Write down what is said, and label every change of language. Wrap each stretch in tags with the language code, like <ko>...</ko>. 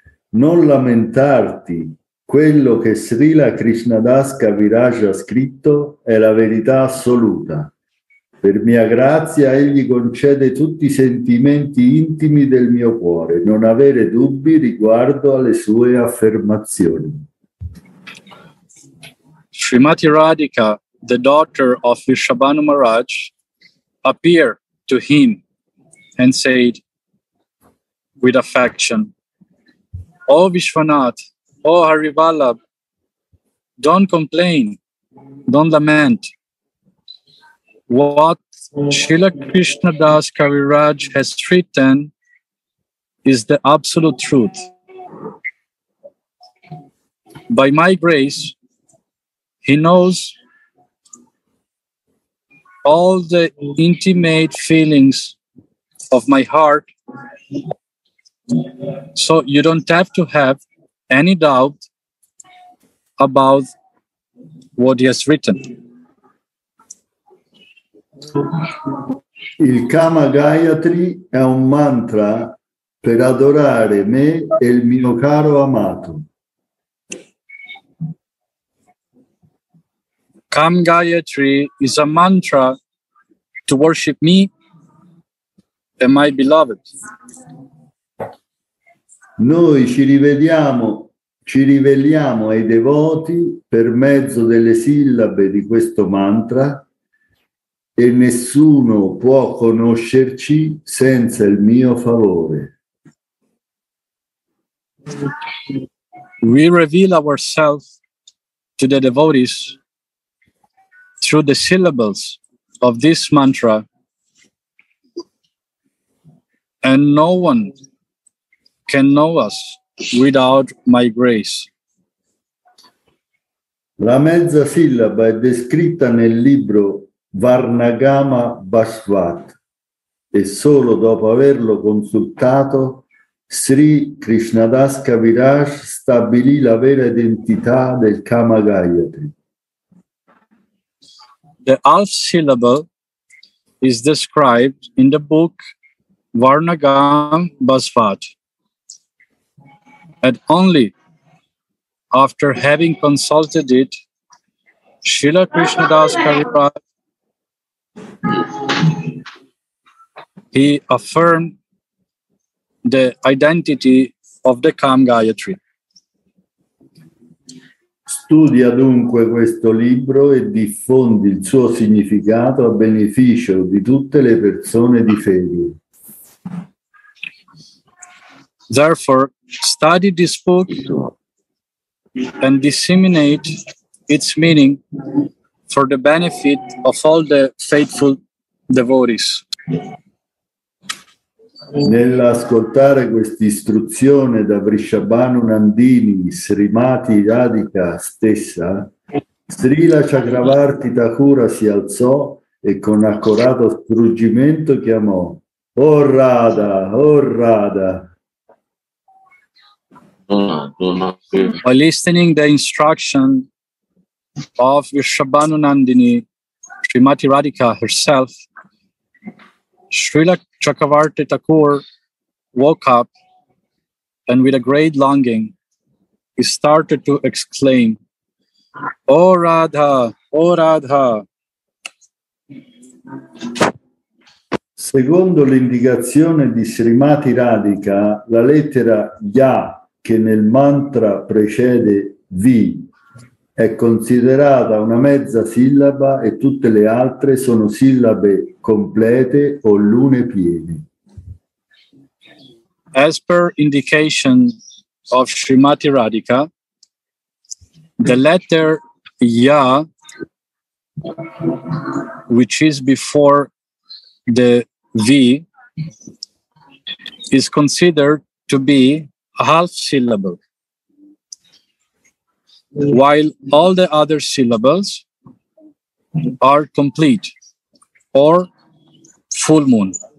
<it>Non lamentarti, quello che Srila Krishnadas Kaviraj ha scritto è la verità assoluta. Per mia grazia egli concede tutti i sentimenti intimi del mio cuore, non avere dubbi riguardo alle sue affermazioni.</it> <en>Srimati Radhika, the daughter of Vrishabhanu Maharaj, appeared to him and said with affection, O Vishwanath, O Hari Vallabh, don't complain, don't lament. What Srila Krishnadas Kaviraj has written is the absolute truth. By my grace, he knows all the intimate feelings of my heart. So you don't have to have any doubt about what he has written.</en> <it>Il Kama Gayatri è un mantra per adorare me e il mio caro amato.</it> <en>Kama Gayatri is a mantra to worship me and my beloved.</en> <it>Noi ci riveliamo ai devoti per mezzo delle sillabe di questo mantra e nessuno può conoscerci senza il mio favore.</it> <en>We reveal ourselves to the devotees through the syllables of this mantra, and no one can know us without my grace.</en> <it>La mezza sillaba è descritta nel libro Varnagama Basvat e solo dopo averlo consultato Sri Krishnadas Kaviraj stabilì la vera identità del Kama Gayatri.</it> <en>The half syllable is described in the book Varnagam Basvat. And only after having consulted it, Srila Krishnadas Kaviraj, he affirmed the identity of the Kama Gayatri.</en> <it>Studia dunque questo libro e diffondi il suo significato a beneficio di tutte le persone di fede.</it> <en>Therefore, study this book and disseminate its meaning for the benefit of all the faithful devotees.</en> <it>Nell'ascoltare quest'istruzione da Vrishabhanu Nandini, Srimati Radhika stessa, Srila Chakravarti Thakura si alzò e con accorato struggimento chiamò: Oh Radha, oh Radha!</it> <en>By listening the instruction of Vrishabhanu Nandini, Srimati Radhika herself, Srila Chakravarti Thakur woke up and with a great longing, he started to exclaim, Oh Radha, Oh Radha!</en> <it>Secondo l'indicazione di Srimati Radhika, la lettera Ya, che nel mantra precede Vi, è considerata una mezza sillaba e tutte le altre sono sillabe complete o lune piene.</it> <en>As per indication of Srimati Radhika, the letter Ya, which is before the V, is considered to be a half syllable, while all the other syllables are complete or full moon.</en>